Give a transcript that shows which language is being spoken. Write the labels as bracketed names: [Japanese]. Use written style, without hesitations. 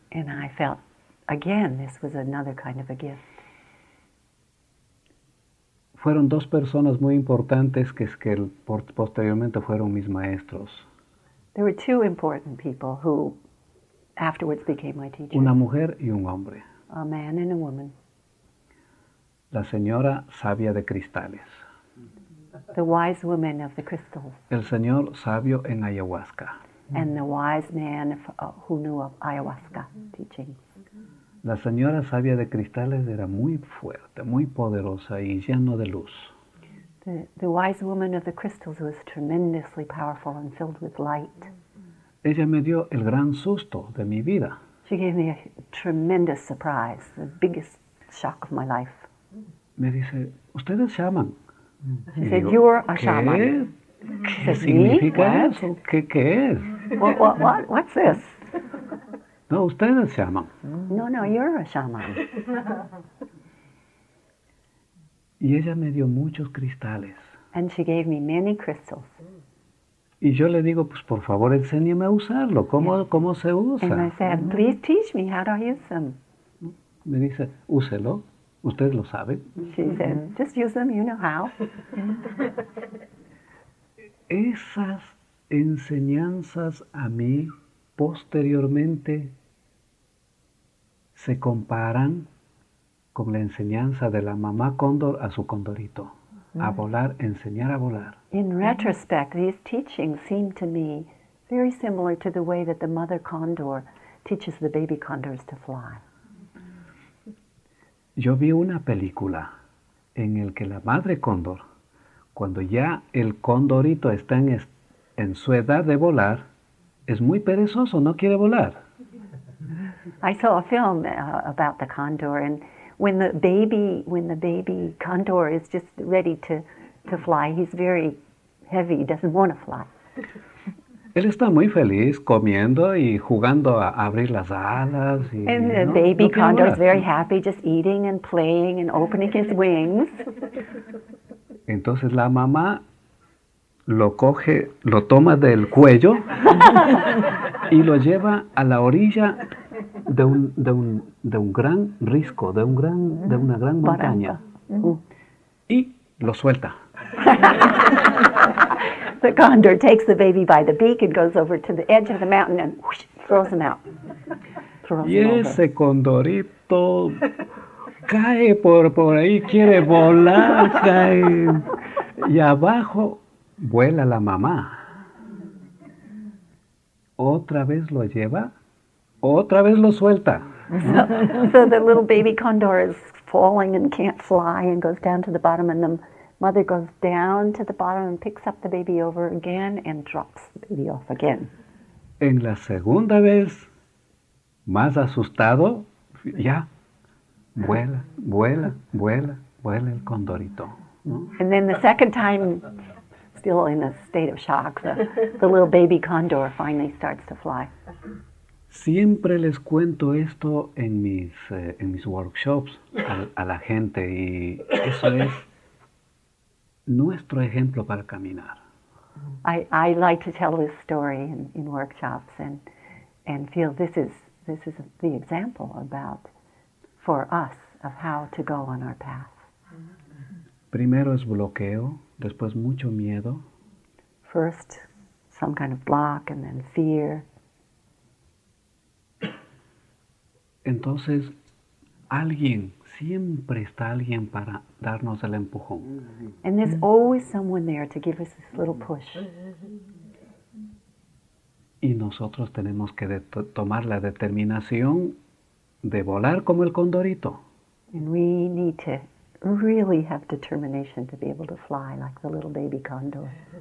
[English] And I felt, again, this was another kind of a gift. [Spanish] Fueron dos personas muy importantes que posteriormente fueron mis maestros. [English] There were two important people who afterwards became my teachers. [Spanish] Una mujer y un hombre. [English] A man and a woman. [Spanish] La señora sabia de cristales. [English] The wise woman of the crystals. [Spanish] El señor sabio en ayahuasca. [English] And the wise man who knew of ayahuasca teaching. [Spanish] La señora sabia de cristales era muy fuerte, muy poderosa y lleno de luz. [English] The wise woman of the crystals was tremendously powerful and filled with light. [Spanish] Ella me dio el gran susto de mi vida. [English] She gave me a tremendous surprise, the biggest shock of my life. [Spanish] Me dice, ¿ustedes llaman? [English] She said, you are a shaman. [Spanish] ¿Qué significa eso? ¿Qué es? [English] What's this? [Spanish] No, usted es shaman. [English] No, you're a shaman. [Spanish] Y ella me dio muchos cristales. [English] And she gave me many crystals. [Spanish] Y yo le digo, pues por favor enséñeme a usarlo. ¿Cómo se usa? [English] And I said, please teach me how to use them. [Spanish] Me dice, úselo. Usted lo sabe. [English] She said, just use them, you know how. [Spanish] Esas enseñanzas a mí posteriormente se comparan con la enseñanza de la mamá cóndor a su condorito. A volar, enseñar a volar. [English] In retrospect, these teachings seem to me very similar to the way that the mother condor teaches the baby condors to fly. [Spanish] Yo vi una película en el que la madre cóndor, cuando ya el condorito está en su edad de volar, es muy perezoso, no quiere volar. [English] I saw a film about the condor, and when the baby condor is just ready to fly, he's very heavy, doesn't want to fly. [Spanish] Él está muy feliz comiendo y jugando a abrir las alas. Y, [English] and the baby condor is very happy just eating and playing and opening his wings. [Spanish] Entonces la mamá lo coge, lo toma del cuello y lo lleva a la orilla de un gran risco, de una gran montaña. Y lo suelta. [English] The condor takes the baby by the beak and goes over to the edge of the mountain and whoosh, throws him out. [Spanish] Y ese condorito cae por ahí, quiere volar, cae. Y abajo vuela la mamá. Otra vez lo lleva, otra vez lo suelta. [English] So the little baby condor is falling and can't fly and goes down to the bottom, and the mother goes down to the bottom and picks up the baby over again and drops the baby off again. [Spanish] En la segunda vez, más asustado, ya, vuela, vuela, vuela, vuela el condorito. [English] And then the second time, still in a state of shock, the little baby condor finally starts to fly. [Spanish] Siempre les cuento esto en mis workshops a la gente, y eso es nuestro ejemplo para caminar. [English] I like to tell this story in workshops and feel this is the example about for us of how to go on our path. [Spanish] Primero es bloqueo, después mucho miedo. [English] First, some kind of block, and then fear. [Spanish] Entonces, alguien, siempre está alguien para darnos el empujón. [English] And there's always someone there to give us this little push. [Spanish] Y nosotros tenemos que tomar la determinación de volar como el condorito. [English] And we need to really have determination to be able to fly like the little baby condor.